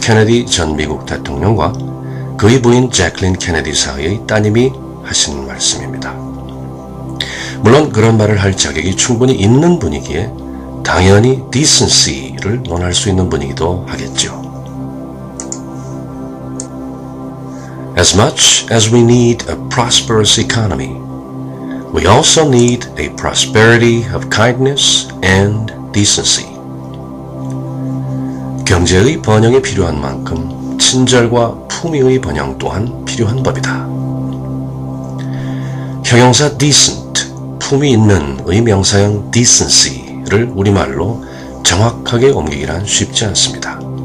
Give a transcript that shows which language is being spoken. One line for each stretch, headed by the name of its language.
Korean: 케네디 전 미국 대통령과 그의 부인 재클린 케네디 사이의 따님이 하신 말씀입니다. 물론 그런 말을 할 자격이 충분히 있는 분이기에 당연히 decency를 논할 수 있는 분이기도 하겠죠.
English: As much as we need a prosperous economy, we also need a prosperity of kindness and decency.
Korean: 경제의 번영이 필요한 만큼 친절과 품위의 번영 또한 필요한 법이다. 형용사 decent, 품위 있는의 명사형 decency, 를 우리말로 정확하게 옮기기란 쉽지 않습니다.